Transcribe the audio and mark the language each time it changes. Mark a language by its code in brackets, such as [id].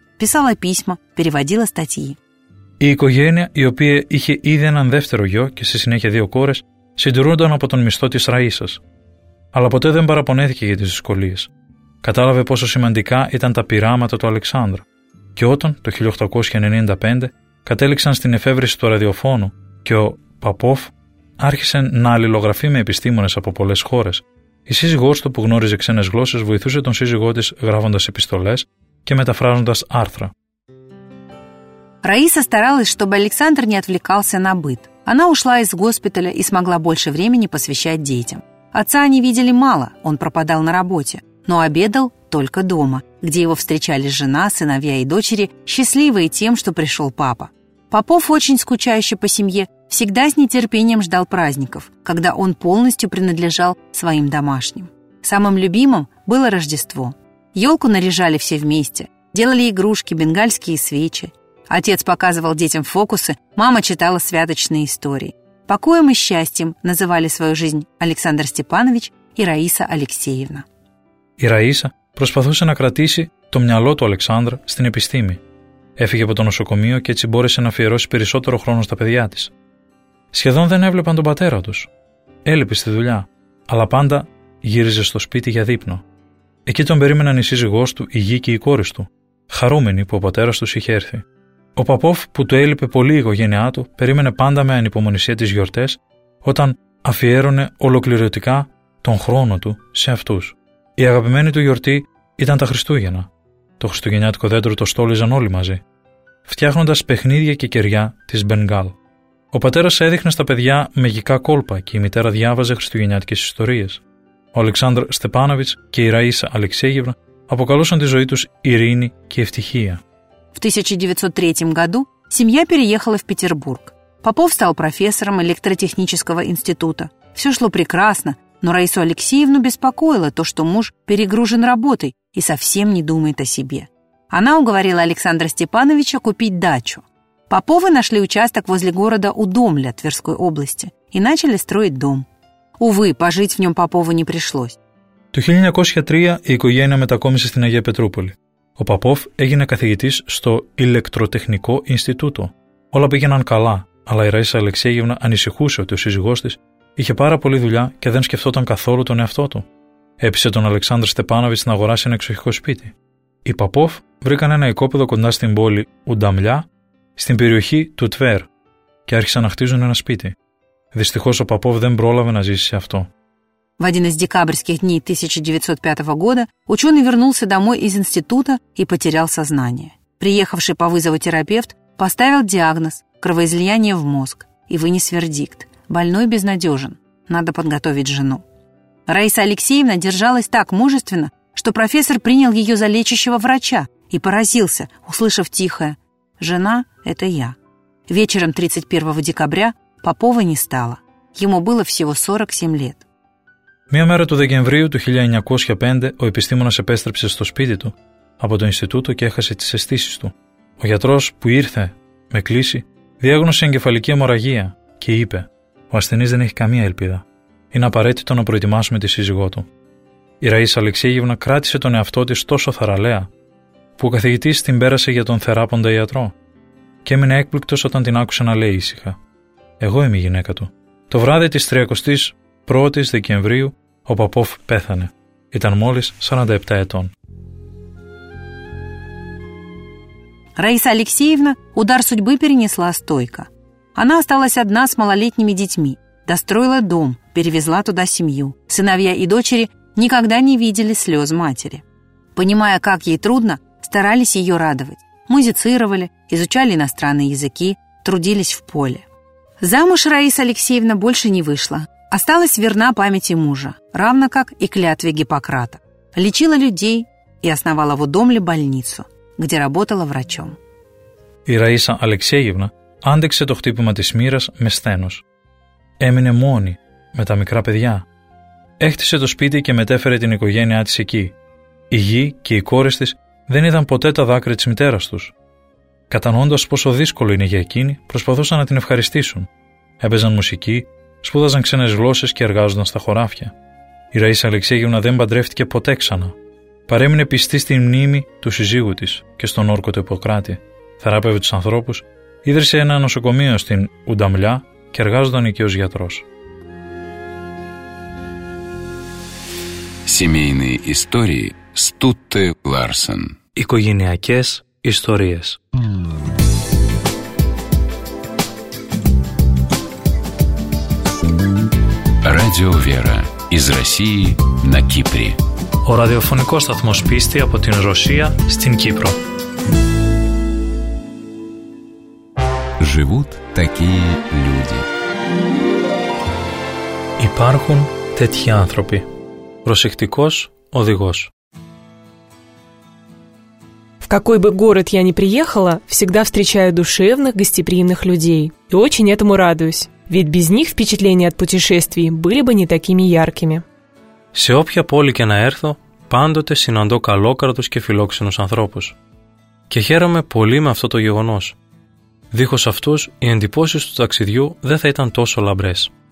[ru] Писала письма, переводила статьи. [el] Η οικογένεια, η οποία είχε ήδη έναν δεύτερο γιο και στη συνέχεια δύο κόρες, συντηρούνταν από τον μισθό της Ραΐσας. Αλλά ποτέ δεν παραπονέθηκε για τις δυσκολίες. Κατάλαβε πόσο σημαντικά ήταν τα πειράματα του Αλεξάνδρου. Και όταν, το 1895, κατέληξαν στην εφεύρεση του ραδιοφώνου και ο Παπόφ άρχισε να αλληλογραφεί με επιστήμονες από πολλές χώρες, η σύζυγός του, που γνώριζε ξένες γλώσσες, βοηθούσε τον σύζυγό της γράφοντας επιστολές και μεταφράζοντας άρθρα. [ru] Раиса старалась, чтобы Александр не отвлекался на быт. Она ушла из госпиталя и смогла больше времени посвящать детям. Отца они видели мало, он пропадал на работе, но обедал только дома, где его встречали жена, сыновья и дочери, счастливые тем, что пришел папа. Попов, очень скучающий по семье, всегда с нетерпением ждал праздников, когда он полностью принадлежал своим домашним. Самым любимым было Рождество. Елку наряжали все вместе, делали игрушки, бенгальские свечи. Отец показывал детям фокусы, мама читала святочные истории. Покоем и счастьем называли свою жизнь Александр Степанович и Раиса Алексеевна. [el] Η Ραΐσα προσπαθούσε να κρατήσει το μυαλό του Αλεξάνδρα στην επιστήμη. Έφυγε από το νοσοκομείο και έτσι μπόρεσε να αφιερώσει περισσότερο χρόνο στα παιδιά της. Σχεδόν δεν έβλεπαν τον πατέρα τους. Έλειπε στη δουλειά, αλλά πάντα γύριζε στο σπίτι για δείπνο. Εκεί τον περίμεναν η σύζυγός του, η γη και η κόρη του, χαρούμενοι που ο πατέρας τους είχε έρθει. Ο Παπόφ, που του έλειπε πολύ η οικογένειά του, περίμενε πάντα με ανυπομονησία τις γιορτές, όταν αφιέρωνε ολοκληρωτικά τον χρόνο του σε αυτούς. Η αγαπημένη του γιορτή ήταν τα Χριστούγεννα. Το χριστουγεννιάτικο δέντρο το στόλιζαν όλοι μαζί, φτιάχνοντας παιχνίδια και κεριά της Μπενγκάλ. Ο πατέρας έδειχνε στα παιδιά μαγικά κόλπα και η μητέρα διάβαζε χριστουγεννιάτικες ιστορίες. Ο Αλεξάνδρ Στεπάνοβιτς και η Ραΐσα Αλεξέγευνα αποκαλούσαν τη ζωή τους ειρήνη και ευτυχία. [ru] В 1903 году семья переехала в Петербург. Попов стал профессором электротехнического института. Все шло прекрасно, но Раису Алексеевну беспокоило то, что муж перегружен работой и совсем не думает о себе. Она уговорила Александра Степановича купить дачу. Поповы нашли участок возле города Удомля Тверской области и начали строить дом. Увы, пожить в нем Попову не пришлось. В 1903 году семья перебралась в Агию Петрополь. [el] Ο Παπόφ έγινε καθηγητής στο Ηλεκτροτεχνικό Ινστιτούτο. Όλα πήγαιναν καλά, αλλά η Ραΐσα Αλεξέγευνα ανησυχούσε ότι ο σύζυγός της είχε πάρα πολύ δουλειά και δεν σκεφτόταν καθόλου τον εαυτό του. Έπεισε τον Αλεξάνδρ Στεπάνοβιτς να αγοράσει ένα εξοχικό σπίτι. Οι Παπόφ βρήκαν ένα οικόπεδο κοντά στην πόλη Ουνταμλιά, στην περιοχή του Τβέρ, και άρχισαν να χτίζουν ένα σπίτι. Δυστυχώς ο Παπόφ δεν πρόλαβε να ζήσει σε αυτό. [ru] В один из декабрьских дней 1905 года ученый вернулся домой из института и потерял сознание. Приехавший по вызову терапевт поставил диагноз – кровоизлияние в мозг и вынес вердикт – больной безнадежен, надо подготовить жену. Раиса Алексеевна держалась так мужественно, что профессор принял ее за лечащего врача и поразился, услышав тихое «Жена – это я». Вечером 31 декабря Попова не стало. Ему было всего 47 лет. [el] Μία μέρα του Δεκεμβρίου του 1905 ο επιστήμονας επέστρεψε στο σπίτι του από το Ινστιτούτο και έχασε τις αισθήσεις του. Ο γιατρός που ήρθε με κλίση διάγνωσε εγκεφαλική αιμορραγία και είπε «Ο ασθενής δεν έχει καμία ελπίδα. Είναι απαραίτητο να προετοιμάσουμε τη σύζυγό του». Η Ραΐσα Αλεξέγευνα κράτησε τον εαυτό της τόσο θαραλέα που ο καθηγητής την πέρασε για τον θεράποντα γιατρό και έμεινε έκπληκτος όταν την άκουσε να λέει ήσυχα «Εγώ είμαι η γυναίκα του». Το βράδυ της 30ης 1η Δεκεμβρίου ο Παπόφ πέθανε. Ήταν μόλις 47 ετών. [ru] Раиса Алексеевна удар судьбы перенесла стойко. Она осталась одна с малолетними детьми, достроила дом, перевезла туда семью. Сыновья и дочери никогда не видели слез матери. Понимая, как ей трудно, старались ее радовать. Музицировали, изучали иностранные языки, трудились в поле. Замуж Раиса Алексеевна больше не вышла. Осталась верна памяти мужа, равно как и клятве Гиппократа. Лечила людей и основала в Удомле больницу, где работала врачом. [el] Η Ραΐσα Αλεξέγευνα άντεξε το χτύπημα της μοίρας με σθένος. Έμεινε μόνη με τα μικρά παιδιά. Έχτισε το σπίτι και μετέφερε την οικογένειά της εκεί. Η γη και οι κόρες της δεν είδαν ποτέ τα δάκρυα της μητέρας τους. Κατανοώντας πόσο δύσκολο είναι για εκείνη, προσπαθούσαν να την ευχαριστήσουν. Έπαιζαν μουσική, σπούδαζαν ξένες γλώσσες και εργάζονταν στα χωράφια. Η Ραΐσα Αλεξέγευνα δεν παντρεύτηκε ποτέ ξανά. Παρέμεινε πιστή στη μνήμη του συζύγου της και στον όρκο του Ιπποκράτη. Θεράπευε τους ανθρώπους, ίδρυσε ένα νοσοκομείο στην Ουνταμλιά και εργάζονταν εκεί ως γιατρός. [ru] Семейные истории Стутте Ларсен. [el] Οικογενειακές ιστορίες. [ru] Радио Вера из России на Кипре. [el] О радиофонико сатмос писти από την Ρωσία στην Κύπρο. [ru] Живут такие люди. [el] Υπάρχουν τέτοιοι άνθρωποι. Προσεκτικός οδηγός. [ru] В какой бы город я ни приехала, всегда встречаю душевных, гостеприимных людей. И очень этому радуюсь. Ведь без них впечатления от путешествий были бы не такими яркими. [el] Σε όποια πόλη και να έρθω, πάντοτε συναντώ καλόκαρδους και φιλόξενους ανθρώπους. Και χαίρομαι πολύ με αυτό το γεγονός. Δίχως αυτούς, οι εντυπώσεις του ταξιδιού δεν θα ήταν τόσο λαμπρές.